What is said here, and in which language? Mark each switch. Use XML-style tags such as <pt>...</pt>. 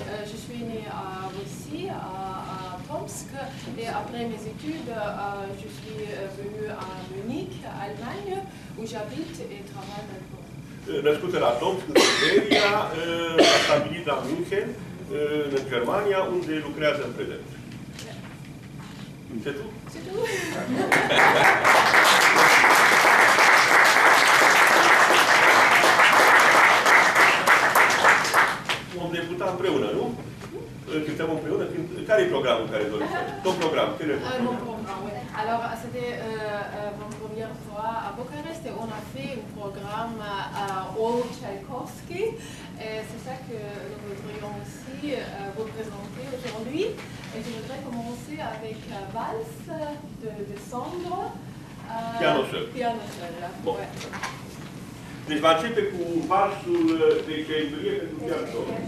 <fr>Je suis né à Russie, Tomsk, et après mes études, je suis venu à Munich, Allemagne, où j'habite et travaille maintenant.</fr> <ro>Născută la Tomsk, în Siberia, a stabilit la München, în Germania, unde lucrează în prezent. Încetul? Încetul! Vom debuta împreună, nu? Cântăm împreună. Care e programul care doriți? Tot programul. Care e programul?</ro> <fr>Alors, c'était ma première fois à Bucarest et on a fait un programme à Old Tchaïkovski. Et c'est ça que nous voudrions aussi vous présenter aujourd'hui. Et je voudrais commencer avec la valse de décembre. Piano seul. Piano seul. Bon. Ouais.</fr> <ro>Deci va începe cu valsul de decembrie pentru</ro> <fr>piano seul.</fr>